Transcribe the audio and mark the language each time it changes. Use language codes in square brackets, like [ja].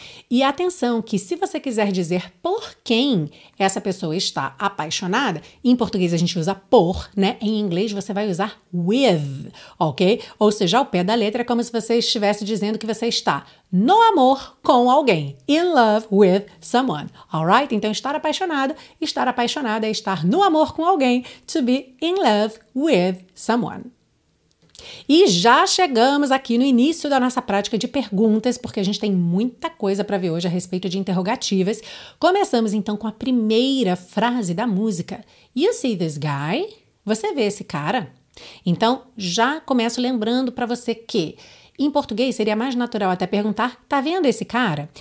[pt] E atenção que se você quiser dizer por quem essa pessoa está apaixonada, em português a gente usa por, né? Em inglês você vai usar with, ok? Ou seja, ao pé da letra é como se você estivesse dizendo que você está no amor com alguém. [en] In love with someone, alright? [pt] Então, estar apaixonado, estar apaixonada é estar no amor com alguém. [en] To be in love with someone. [pt] E já chegamos aqui no início da nossa prática de perguntas, porque a gente tem muita coisa para ver hoje a respeito de interrogativas. Começamos então com a primeira frase da música. [en] You see this guy? [pt] Você vê esse cara? Então, já começo lembrando para você que em português seria mais natural até perguntar, tá vendo esse cara?